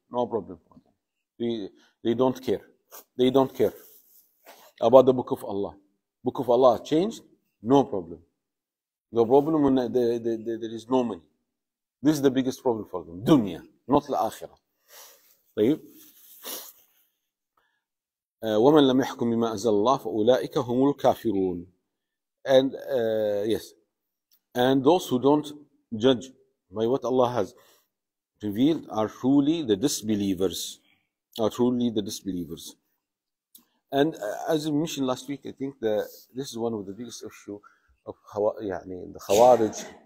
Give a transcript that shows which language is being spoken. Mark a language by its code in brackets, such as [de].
[en] No problem for them. They don't care. They don't care. About the book of Allah. Book of Allah changed, no problem. The problem, there is no money. This is the biggest problem for them. Dunya, not the akhira. طيب. [ar] ومن لم يحكم بما أنزل الله فأولئك هم الكافرون. [en] And yes. And those who don't judge by what Allah has revealed are truly the disbelievers. Are truly the disbelievers. And as we mentioned last week, I think that this is one of the biggest issue of يعني the Khawarij.